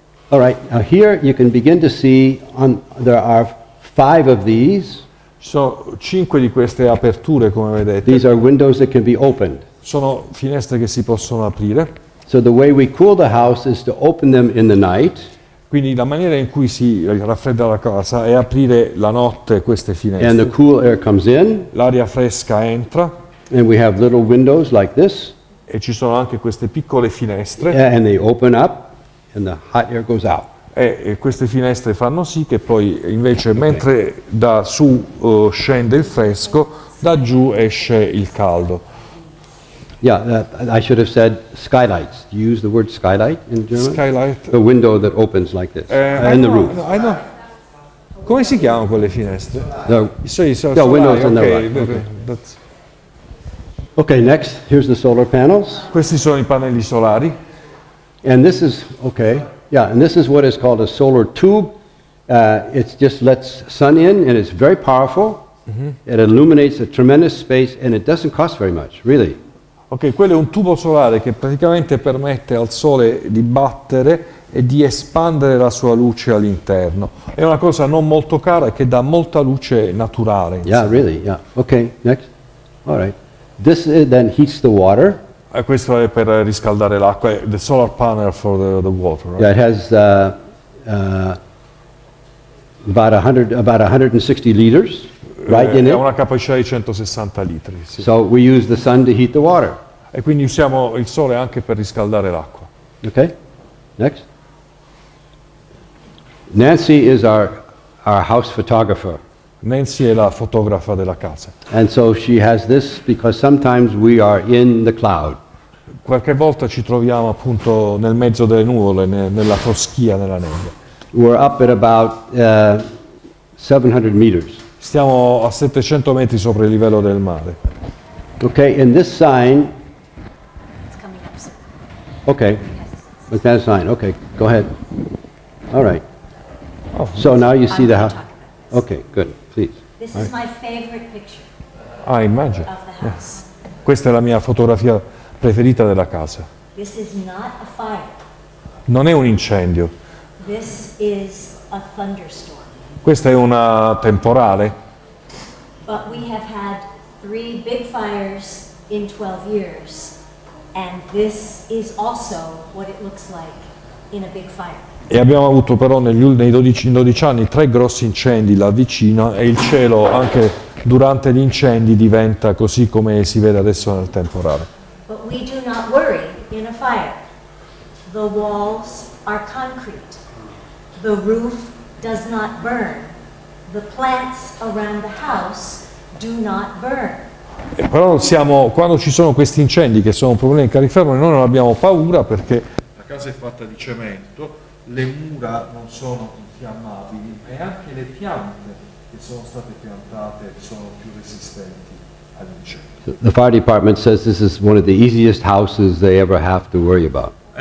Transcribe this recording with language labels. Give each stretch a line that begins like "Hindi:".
English: All right, now here you can begin to see on there are five of these.
Italian: Sono cinque di queste aperture, come vedete.
English: These are windows that can be opened.
Italian: Sono finestre che si possono aprire.
English: So the way we cool the house is to open them in the night.
Italian: Quindi la maniera in cui si raffredda la casa è aprire la notte queste finestre.
English: And the cool air comes in.
Italian: L'aria fresca entra.
English: And we have little windows like this.
Italian: E ci sono anche queste piccole finestre.
English: And they open up and the hot air goes out.
Italian: E queste finestre fanno sì che poi invece mentre da su scende il fresco, da giù esce il caldo.
English: Yeah, I should have said skylights. Do you use the word skylight in German? Skylight. The window that opens like this, in the roof. I know.
Italian: Come si chiamano quelle finestre?
English: The windows on the roof. Okay, next, here's the solar panels.
Italian: Questi sono I pannelli solari.
English: And this is, okay, yeah, and this is what is called a solar tube. It just lets sun in, and it's very powerful. Mm-hmm. It illuminates a tremendous space, and it doesn't cost very much, really.
Italian: Ok, quello è un tubo solare che praticamente permette al sole di battere e di espandere la sua luce all'interno. È una cosa non molto cara che dà molta luce naturale.
English: Yeah, really, yeah. Ok, next. All right. This then heats the water.
Italian: Questo è per riscaldare l'acqua,
English: the solar panel for the water, right? Yeah, it has about 160 liters. Right in
Italian: it. Una capacità di 160 litri. Sì.
English: So we use the sun to heat the water.
Italian: E quindi usiamo il sole anche per riscaldare l'acqua.
English: Okay. Next. Nancy is our house photographer.
Italian: Nancy è la fotografa della casa.
English: And so she has this because sometimes we are in the cloud.
Italian: Qualche volta ci troviamo appunto nel mezzo delle nuvole, nella foschia, nella nebbia.
English: We're up at about 700 meters.
Italian: Stiamo a 700 metri sopra il livello del mare.
English: Okay, and this sign. It's coming up soon. Okay, with that sign. Okay, go ahead. All right. Oh, so now you see I'm the house. Okay, good. Please. This All is right. my favorite picture. I imagine. Of the house. Yes.
Italian: Questa è la mia fotografia preferita della casa.
English: This is not a fire.
Italian: Non è un incendio.
English: This is a thunderstorm.
Italian: Questa è una temporale.
English: But we have had three big fires in 12 years, and this is also what it looks like in a big fire.
Italian: E abbiamo avuto però nei 12 anni tre grossi incendi là vicino, e il cielo anche durante gli incendi diventa così come si vede adesso nel temporale.
English: But we do not worry in a fire. The walls are concrete. The roof does not burn. The plants around the house do not burn.
Italian: Però siamo, quando ci sono questi incendi che sono un problema in California, noi non abbiamo paura perché la casa è fatta di cemento, le mura non sono infiammabili e anche le piante che sono state piantate sono più resistenti all'incendio.
English: So the fire department says this is one of the easiest houses they ever have to worry about.